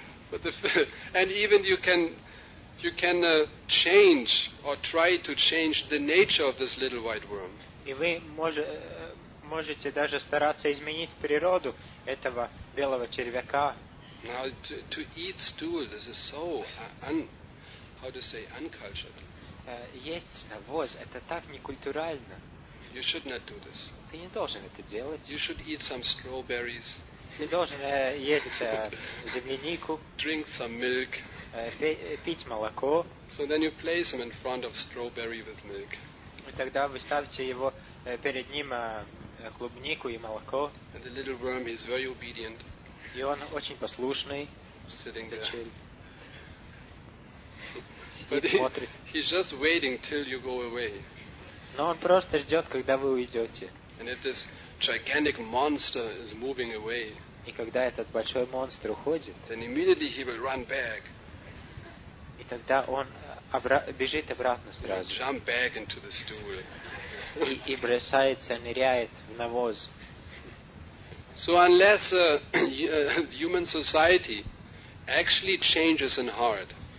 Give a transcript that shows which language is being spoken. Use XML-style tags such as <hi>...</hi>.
<en>But the and even you can change or try to change the nature of this little white worm.</en> <ru>И вы можете даже стараться изменить природу этого белого червяка.</ru> <en>Now to eat stool, this is so uncultured.</en> <ru>Есть навоз, это так некультурально.</ru> <en>You should not do this.</en> <ru>Ты не должен это делать.</ru> <en>You should eat some strawberries.</en> <ru>Ты должен есть землянику.</ru> <en>Drink some milk.</en> <ru>Пить молоко.</ru> <en>So then you place him in front of strawberry with milk.</en> <ru>И тогда вы ставите его перед ним клубнику и молоко.</ru> <en>And the little worm is very obedient.</en> <ru>И он очень послушный.</ru> <en>Sitting there. But he's just waiting till you go away.</en> <ru>Но он просто ждет, когда вы уйдете.</ru> <en>And if this gigantic monster is moving away.</en> <ru>И когда этот большой монстр уходит.</ru> <en>Then immediately he will run back.</en> <ru>И тогда он бежит обратно сразу.</ru> <en>Jump back into the stool.</en> <ru>И бросается, ныряет в навоз.</ru> <en>So unless human society actually changes in heart.</en>